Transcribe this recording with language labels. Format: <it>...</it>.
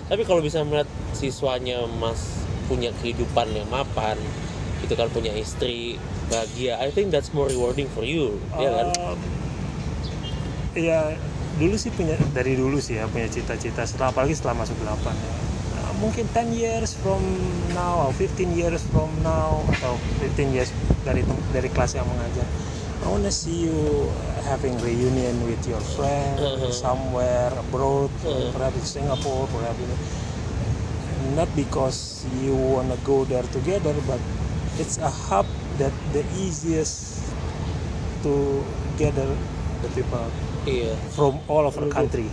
<id>Tapi kalau bisa melihat siswanya mas punya kehidupan yang mapan, itu kan punya istri bahagia.</id> <en>I think that's more rewarding for you,</en> <id>ya kan? Iya, dulu sih punya dari dulu sih ya punya cita-cita. Setelah apalagi setelah masuk 8 ya. Mungkin</id> <en>10 years from now, 15 years</en> <id>from now, atau 15 years dari kelas yang mengajar.</id> <en>I wanna see you having reunion with your friend somewhere abroad, perhaps Singapore, perhaps. Not because you wanna go there together, but it's a hub that the easiest to gather the people from all over the country.</en>